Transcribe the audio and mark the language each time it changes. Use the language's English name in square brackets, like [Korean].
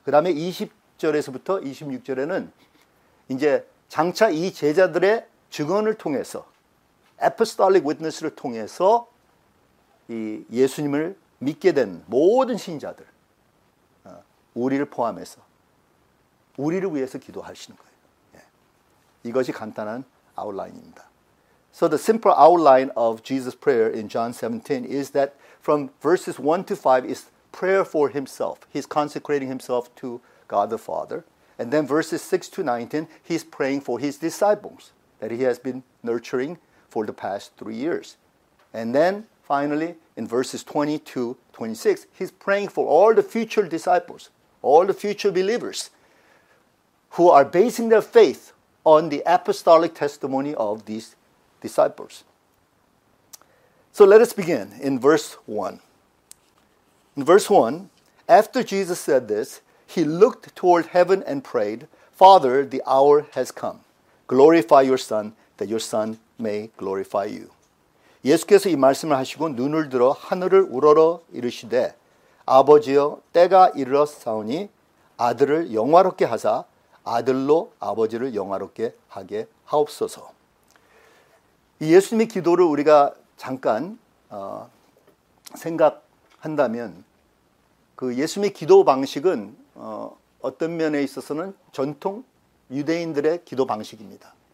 [Korean] 그 다음에 20절에서부터 26절에는 이제 장차 이 제자들의 증언을 통해서 [English] apostolic witness [Korean] 를 통해서 이 예수님을 믿게 된 모든 신자들 우리를 포함해서 우리를 위해서 기도하시는 거예요. 이것이 간단한 아웃라인입니다. [English] So the simple outline of Jesus' prayer in John 17 is that from verses 1 to 5 is prayer for himself. He's consecrating himself to God the Father. And then verses 6 to 19, he's praying for his disciples that he has been nurturing for the past 3 years. And then finally, in verses 20 to 26, he's praying for all the future disciples, all the future believers who are basing their faith on the apostolic testimony of these disciples. So let us begin in verse 1. In verse 1, after Jesus said this, he looked toward heaven and prayed, Father, the hour has come. Glorify your Son, that your Son may glorify you. [Korean] 예수께서 이 말씀을 하시고 눈을 들어 하늘을 우러러 이르시되, 아버지여, 때가 이르렀사오니 아들을 영화롭게 하사, 아들로 아버지를 영화롭게 하게 하옵소서. 이 예수님의 기도를 우리가 잠깐 생각한다면 그 예수님의 기도 방식은 어떤 면에 있어서는 전통 유대인들의 기도 방식입니다.